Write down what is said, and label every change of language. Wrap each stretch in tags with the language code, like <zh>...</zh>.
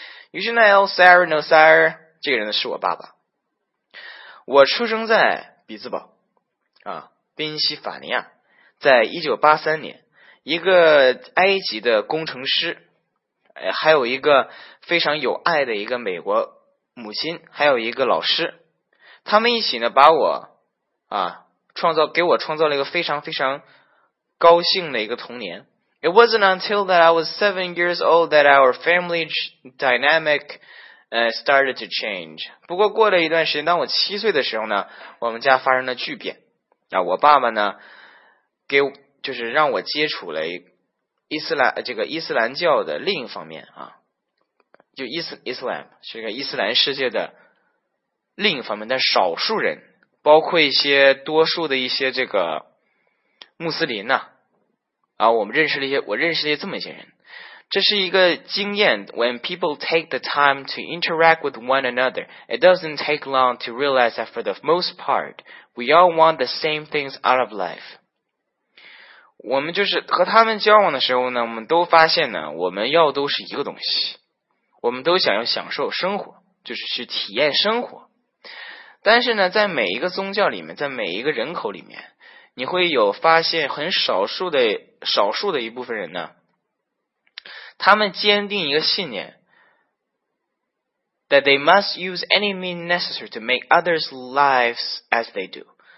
<zh>于是呢 Nosire 这个人呢是我爸爸，我出生在比兹堡啊，宾夕法尼亚，在1983年，一个埃及的工程师。还有一个非常有爱的一个美国母亲，还有一个老师，他们一起呢把我啊给我创造了一个非常非常高兴的一个童年。</zh> <en>It wasn't until that I was 7 years old that our family dynamic started to change。</en> <zh>不过过了一段时间，当我7岁的时候呢，我们家发生了巨变。啊，我爸爸呢给就是让我接触了伊斯兰教的另一方面啊，就伊斯兰是一个伊斯兰世界的另一方面，但少数人包括一些多数的一些这个穆斯林呢 我认识了这么一些人。这是一个经验，</zh> <en>When people take the time to interact with one another, it doesn't take long to realize that for the most part we all want the same things out of life。</en> <zh>我们就是和他们交往的时候呢，我们都发现呢，我们要都是一个东西，我们都想要享受生活，就是去体验生活。但是呢，在每一个宗教里面，在每一个人口里面，你会有发现很少数的一部分人呢，他们坚定一个信念 ，</zh> <en>that they must use any means necessary to make others' lives as they do。</en>